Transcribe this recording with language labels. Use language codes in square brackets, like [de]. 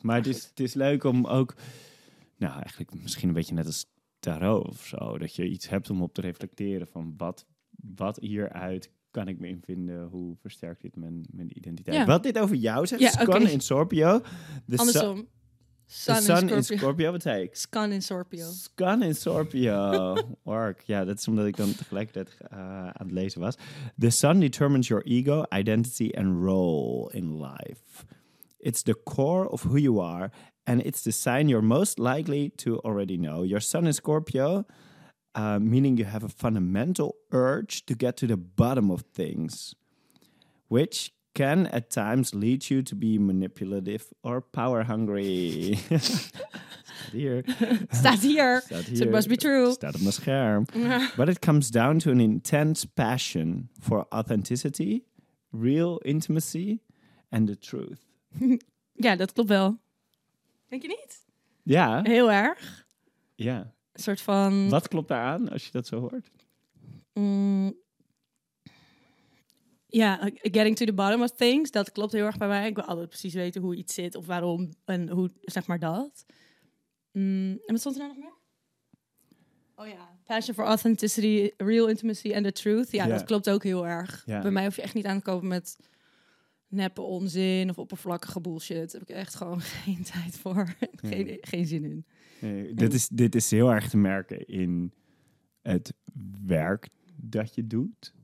[nl] Maar ja, het is leuk om ook, nou, eigenlijk misschien een beetje net als tarot of zo, dat je iets hebt om op te reflecteren van wat hieruit kan ik me invinden, hoe versterkt dit mijn identiteit. Ja. Wat dit over jou zegt, ja, okay. [en] Scan in Scorpio. [nl] Andersom. Sun in Scorpio, wat zei ik? [en] Scan in Scorpio. Scan in Scorpio. Work. [nl] Ja, dat is omdat ik dan tegelijkertijd aan het lezen was. [en] The sun determines your ego, identity and role in life. It's the core of who you are and it's the sign you're most likely to already know. Your sun in Scorpio, meaning you have a fundamental urge to get to the bottom of things, which can at times lead you to be manipulative or power hungry. [nl] Staat hier. [en] So it must be true. [nl] Staat op mijn scherm. [en] But it comes down to an intense passion for authenticity, real intimacy, and the truth. [nl] Ja, dat klopt wel. Denk je niet? Ja. Heel erg. Ja. Een soort van. Wat klopt daar aan als je dat zo hoort? Ja, [en] getting to the bottom of things, [nl] dat klopt heel erg bij mij. Ik wil altijd precies weten hoe iets zit of waarom en hoe, zeg maar dat. En wat stond er nou nog meer? [en] Oh ja, passion for authenticity, real intimacy and the truth. [nl] Ja, yeah, dat klopt ook heel erg. Yeah. Bij mij hoef je echt niet aan te komen met neppe onzin of oppervlakkige bullshit. Daar heb ik echt gewoon geen tijd voor. geen zin in. Nee, dit is heel erg te merken in het werk dat je doet.